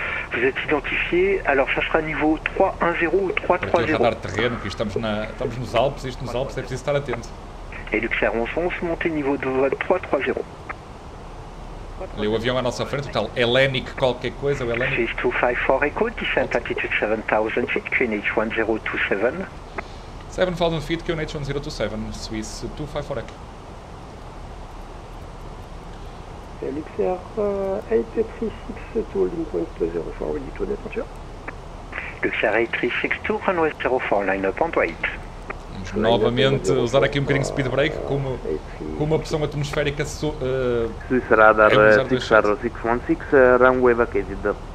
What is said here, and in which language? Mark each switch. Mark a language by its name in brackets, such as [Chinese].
[French] Vous êtes identifié, alors ça sera niveau 310 ou 330. [Portuguese] Radar de terreno, que estamos nos Alpes, isto nos Alpes, é preciso estar atento. [French] Et Luxair 1111, montez niveau 330. [Portuguese] Ali o avião à nossa frente, o tal Hellenic qualquer coisa, o Hellenic. [English] 6254 Echo, descent altitude 7000 feet, QNH 1027. 7000 feet, QNH 1027, Swiss 254 Echo. Luxair 04, ready to departure. Luxair 8362, runway 04, line up on wait. [Portuguese] Vamos novamente usar aqui um bocadinho de speed brake com uma opção atmosférica. [English] Swiss radar 6616, runway vacated.